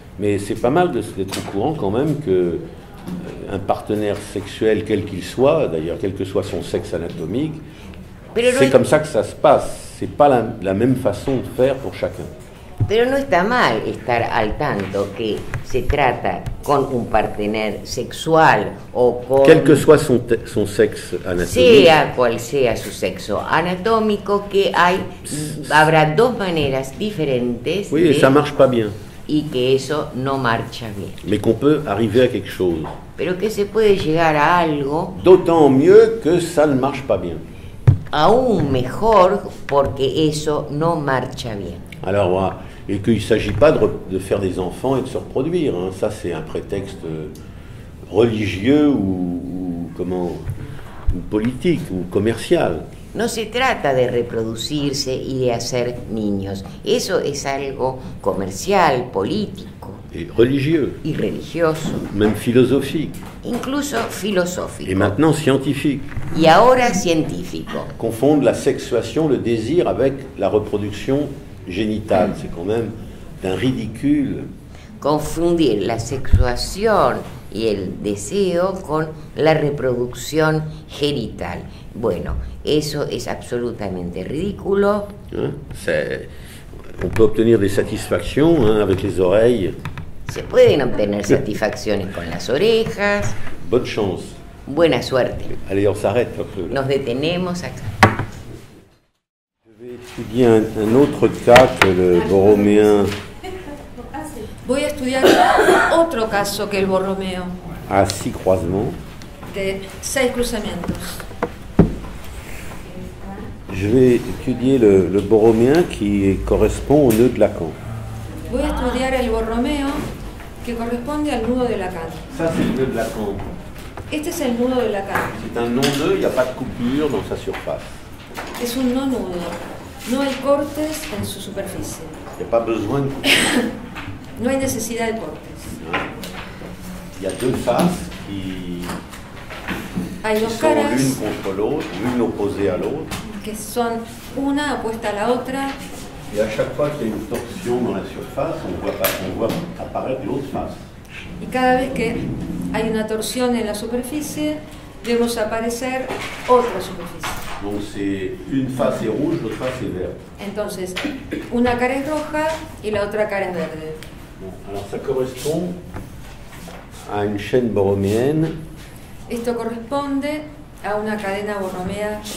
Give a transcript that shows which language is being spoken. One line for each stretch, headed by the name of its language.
French: Mais c'est pas mal d'être au courant quand même que un partenaire sexuel, quel qu'il soit, d'ailleurs, quel que soit son sexe anatomique,
Spanish: pero
French: c'est comme ça que ça se passe. C'est pas la même façon de faire pour chacun.
Spanish: Pero no está mal estar al tanto que se trata con un partenaire sexual o con...
French: Quel que soit son sexe anatomique.
Spanish: Sea cual sea su sexo anatómico, que habrá dos maneras diferentes.
French: Oui, et ça marche pas bien.
Spanish: Y que eso no marcha bien.
French: Mais qu'on peut arriver à quelque chose.
Spanish: Pero que se puede llegar a algo.
French: D'autant mieux que ça ne marche pas bien.
Spanish: Aún mejor porque eso no marcha bien.
French: Alors, et qu'il ne s'agit pas de faire des enfants et de se reproduire. Hein. Ça, c'est un prétexte religieux ou politique ou commercial.
Spanish: No se trata de reproducirse y de hacer niños. Eso es algo comercial, político.
French: Et religieux.
Spanish: Y religioso.
French: Même philosophique.
Spanish: Incluso filosófico.
French: Et maintenant scientifique.
Spanish: Y ahora científico.
French: Confondre la sexuation, le désir, avec la reproduction génitale. C'est quand même d'un ridicule.
Spanish: Confundir la sexuación y el deseo con la reproducción genital. Bueno, eso es absolutamente ridículo.
French: On peut obtenir des satisfactions hein, avec les oreilles.
Spanish: Se pueden obtener satisfacciones con las orejas.
French: Bonne chance.
Spanish: Buena suerte.
French: Allez, on s'arrête un peu.
Spanish: Nos detenemos acá.
French: Je vais étudier un autre cas que le Borroméen.
Spanish: Voy a estudiar otro caso que el Borromeo.
French: A six croisements.
Spanish: De seis cruzamientos.
French: Je vais étudier le Borroméen qui correspond au nœud de Lacan.
Spanish: Voy a estudiar el Borromeo que corresponde al nudo de Lacan.
French: Ça, c'est le nœud de Lacan.
Spanish: Este es el nudo de Lacan.
French: C'est un non-nœud, il n'y a pas de coupure dans sa surface.
Spanish: Es un non-nudo. No hay cortes en su superficie.
French: Il n'y a pas besoin de coupure.
Spanish: No hay necesidad de cortes.
French: Il y a deux faces qui sont caras, l'une contre l'autre, l'une opposée à l'autre.
Spanish: Que son una opuesta a la otra.
French: Et à chaque fois qu'il y a une torsion dans la surface, on voit apparaître l'autre face.
Spanish: Y cada vez que hay una torsión en la superficie, vemos aparecer otra superficie.
French: Donc c'est une face est rouge, l'autre face est verte.
Spanish: Entonces, una cara es roja y la otra cara es verde.
French: Alors ça correspond à une chaîne borroméenne.
Spanish: Esto corresponde a una cadena borromea